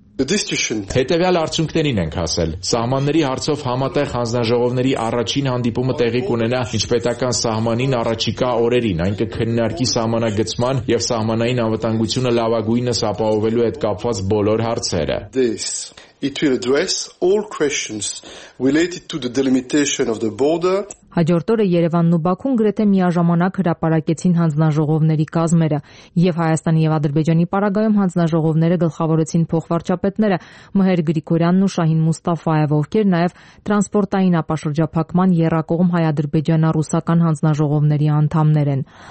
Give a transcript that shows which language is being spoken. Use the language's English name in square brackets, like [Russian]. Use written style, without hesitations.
[Armenian] Հետևյալ արդյունքներին ենք հասել։ Սահմանների հարցով համատեղ հանձնաժողովների առաջին հանդիպումը տեղի կունենա ինչ պետական սահմանին առաջիկա օրերին, այն կքննարկի սահմանագծման և սահմանային անվտանգությունը լավագույնս ապահովելու հետ կապված բոլոր հարցերը։ [English] It will address all questions related to the delimitation of the border. [Armenian] Հաջորդ օրը Երևանն ու Բաքուն գրեթե միաժամանակ հրապարակեցին հանձնաժողովների կազմերը, և Հայաստանի և Ադրբեջանի պարագայում հանձնաժողովները գլխավորեցին փոխվարչապետները Մհեր Գրիգորյանն ու Շահին Մուստաֆաևը, ովքեր նաև տրանսպորտային ապաշրջափակման երակողմ հայ-ադրբեջանա-ռուսական հանձնաժողովների անդամներ են։